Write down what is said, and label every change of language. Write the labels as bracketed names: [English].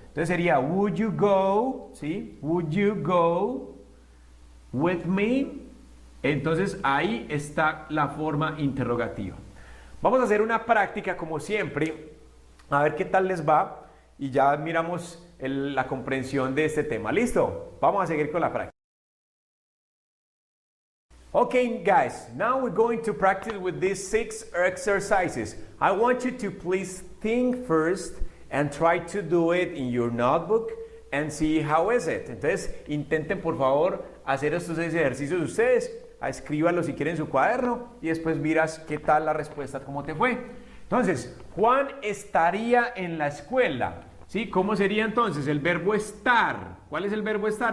[Spanish] Entonces sería, [English] ¿would you go? [Spanish] ¿Sí? [English] ¿Would you go with me? [Spanish] Entonces ahí está la forma interrogativa. Vamos a hacer una práctica como siempre, a ver qué tal les va y ya miramos la comprensión de este tema. ¿Listo? Vamos a seguir con la práctica. [English] Okay, guys, now we're going to practice with these 6 exercises. I want you to please think first and try to do it in your notebook and see how is it. [Spanish] Entonces, intenten, por favor, hacer estos 6 ejercicios ustedes. Escríbalo, si quieren, en su cuaderno y después miras qué tal la respuesta, cómo te fue. Entonces, Juan estaría en la escuela. ¿Sí? ¿Cómo sería entonces el verbo estar? ¿Cuál es el verbo estar?